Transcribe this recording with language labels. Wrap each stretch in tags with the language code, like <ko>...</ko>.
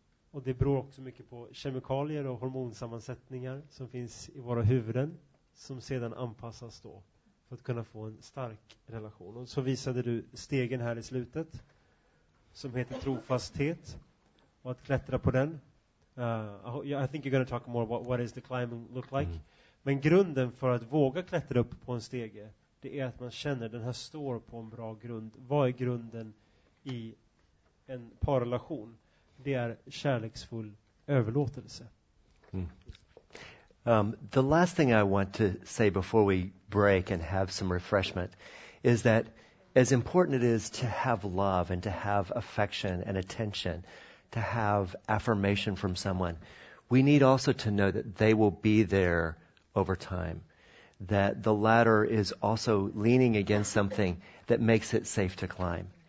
<sv>Och det beror också mycket på kemikalier och hormonsammansättningar som finns i våra huvuden, som sedan anpassas då för att kunna få en stark relation. Och så visade du stegen här i slutet som heter trofasthet och att klättra på den.</sv> <en>I think you're going to talk more about what is the climbing look like. Mm.</en> <sv>Men grunden för att våga klättra upp på en stege, det är att man känner den här står på en bra grund. Vad är grunden i en parrelation? Det är kärleksfull överlåtelse.</sv> <en>The last thing I want to say before we break and have some refreshment is that as important it is to have love and to have affection and attention, to have affirmation from someone, we need also to know that they will be there over time, that the ladder is also leaning against something that makes it safe to climb.</en>